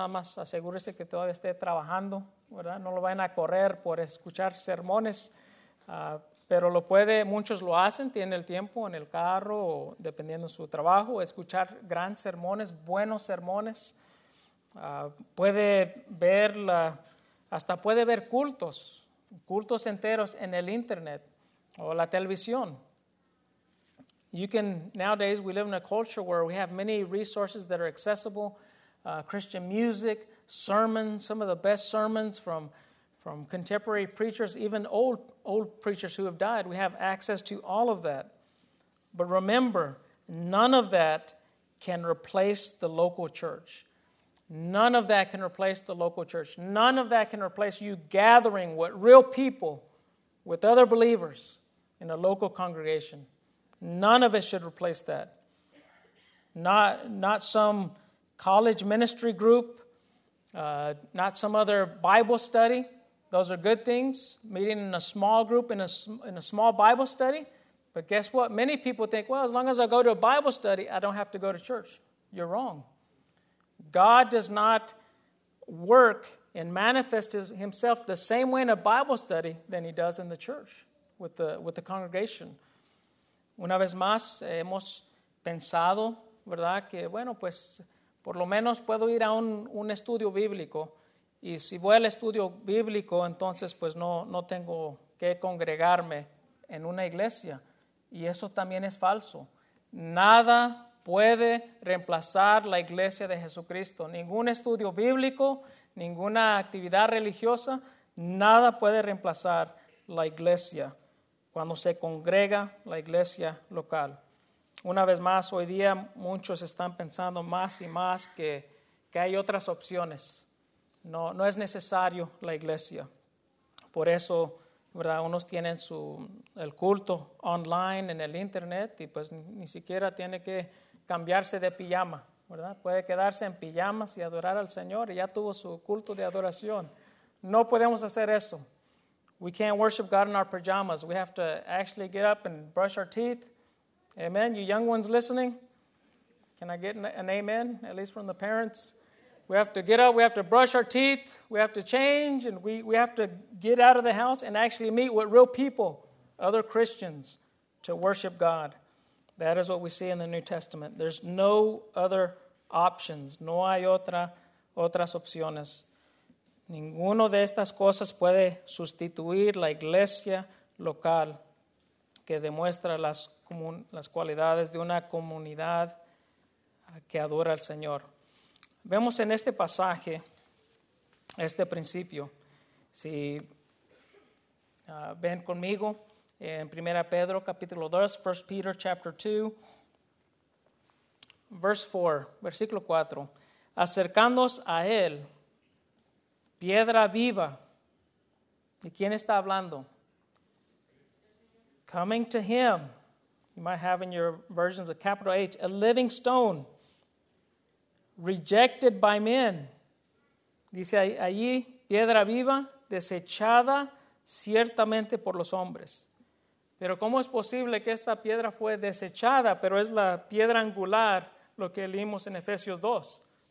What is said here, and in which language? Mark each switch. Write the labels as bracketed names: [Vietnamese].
[Spanish] Nada más asegúrese que todavía esté trabajando, ¿verdad? No lo vayan a correr por escuchar sermones, pero lo puede, muchos lo hacen, tienen el tiempo en el carro o dependiendo de su trabajo, escuchar grandes sermones, buenos sermones. Puede ver, hasta puede ver cultos enteros en el internet o la televisión. [English] You can, nowadays we live in a culture where we have many resources that are accessible, Christian music, sermons, some of the best sermons from contemporary preachers, even old preachers who have died. We have access to all of that. But remember, none of that can replace the local church. None of that can replace the local church. None of that can replace you gathering with real people, with other believers in a local congregation. None of it should replace that. Not some college ministry group, not some other Bible study. Those are good things, meeting in a small group, in a small Bible study. But guess what? Many people think, well, as long as I go to a Bible study, I don't have to go to church. You're wrong. God does not work and manifest himself the same way in a Bible study than he does in the church with the congregation. [Spanish] Una vez más, hemos pensado, ¿verdad?, que bueno, pues por lo menos puedo ir a un estudio bíblico, y si voy al estudio bíblico, entonces pues no tengo que congregarme en una iglesia. Y eso también es falso. Nada puede reemplazar la iglesia de Jesucristo. Ningún estudio bíblico, ninguna actividad religiosa, nada puede reemplazar la iglesia cuando se congrega la iglesia local. Una vez más, hoy día muchos están pensando más y más que hay otras opciones. No es necesario la iglesia. Por eso, ¿verdad?, unos tienen el culto online en el internet y pues ni siquiera tiene que cambiarse de pijama, ¿verdad? Puede quedarse en pijamas y adorar al Señor y ya tuvo su culto de adoración. No podemos hacer eso. [English] We can't worship God in our pajamas. We have to actually get up and brush our teeth. Amen. You young ones listening, can I get an amen, at least from the parents? We have to get up, we have to brush our teeth, we have to change, and we have to get out of the house and actually meet with real people, other Christians, to worship God. That is what we see in the New Testament. There's no other options. [Spanish] No hay otras opciones. Ninguno de estas cosas puede sustituir la iglesia local que demuestra las cualidades de una comunidad que adora al Señor. Vemos en este pasaje este principio. Si ven conmigo en 1 Pedro capítulo 2, [English] 1 Peter chapter 2, [Spanish] versículo 4. Acercándonos a Él, piedra viva. ¿Y quién está hablando? [English] Coming to him. You might have in your versions a capital H. A living stone. Rejected by men. [Spanish] Dice allí, piedra viva, desechada ciertamente por los hombres. Pero ¿cómo es posible que esta piedra fue desechada? Pero es la piedra angular, lo que leímos en Efesios 2.